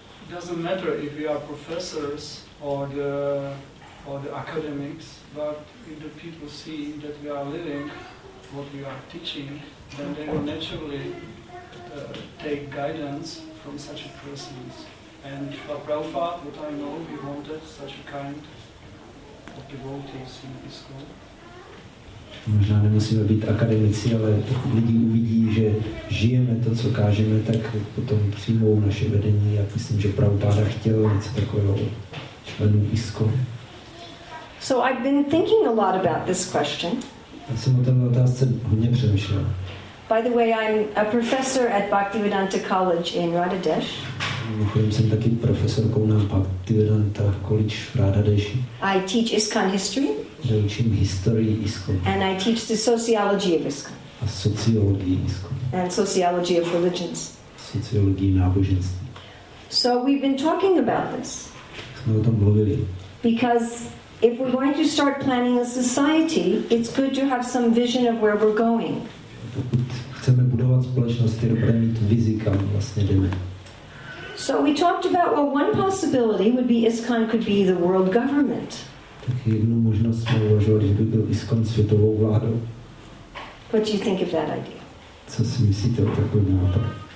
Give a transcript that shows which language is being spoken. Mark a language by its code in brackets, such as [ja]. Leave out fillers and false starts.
[en] Doesn't matter if you are professors or the academics, but if the people see that we are living what we are teaching, then they will naturally take guidance from such a person. And Prabhupada, what I know, he wanted such a kind of devotees in his school. [cs] Možná nemusíme být akademici, ale pokud lidi uvidí, že žijeme to, co kážeme, tak potom přijmou naše vedení. Já myslím, že Prabhupada chtěl něco takového členů ISKCON. [en] So I've been thinking a lot about this question. [cs] Já jsem o této otázce hodně přemýšlel. [en] By the way, I'm a professor at Bhaktivedanta College in Radadesh. [cs] Mimochodem jsem taky profesorkou na Bhaktivedanta College v Radadeshi. [en] I teach ISKCON history. [cs] Já učím historii ISKCON. [en] And I teach the sociology of ISKCON. [cs] A sociologii ISKCON. [en] And sociology of religions. [cs] Sociologii náboženství. [en] So we've been talking about this. [cs] Jsme o tom mluvili. [en] Because if we're going to start planning a society, it's good to have some vision of where we're going. [cs] Pokud chceme budovat společnost, je dobré mít vizi, kam vlastně jdeme. [en] So we talked about, well, one possibility would be ISKCON could be the world government. [cs] Tak jednu možnost jsme uvažovali, že by byl ISKCON světovou vládou. [en] What do you think of that idea? [cs] Co si myslíte o takovém nápadu?